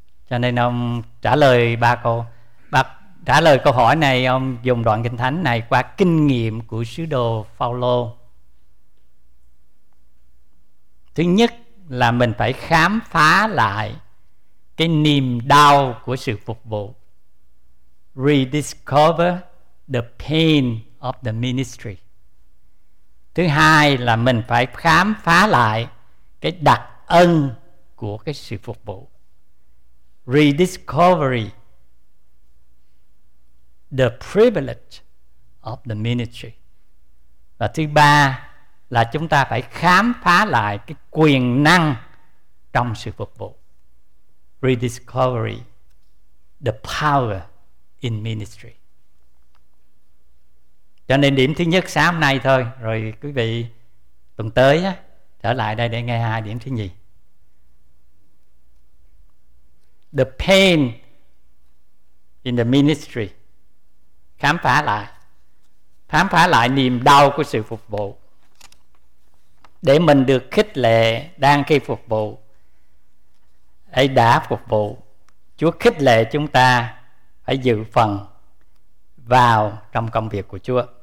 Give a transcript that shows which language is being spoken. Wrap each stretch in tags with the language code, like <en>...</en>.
<vi>Cho nên ông trả lời ba câu, trả lời câu hỏi này, ông dùng đoạn Kinh Thánh này qua kinh nghiệm của sứ đồ Phao-lô. Thứ nhất là mình phải khám phá lại cái niềm đau của sự phục vụ.</vi> <en>Rediscover the pain of the ministry.</en> <vi>Thứ hai là mình phải khám phá lại cái đặc ân của cái sự phục vụ.</vi> <en>Rediscovery the privilege of the ministry.</en> <vi>Và thứ ba là chúng ta phải khám phá lại cái quyền năng trong sự phục vụ.</vi> <en>Rediscovery the power in ministry.</en> <vi>Cho nên điểm thứ nhất sáng hôm nay thôi, rồi quý vị tuần tới á, trở lại đây để nghe hai điểm thứ nhì.</vi> <en>The pain in the ministry.</en> <vi>Khám phá lại, khám phá lại niềm đau của sự phục vụ, để mình được khích lệ đang khi phục vụ. Ấy đã phục vụ, Chúa khích lệ chúng ta phải dự phần vào trong công việc của Chúa.</vi>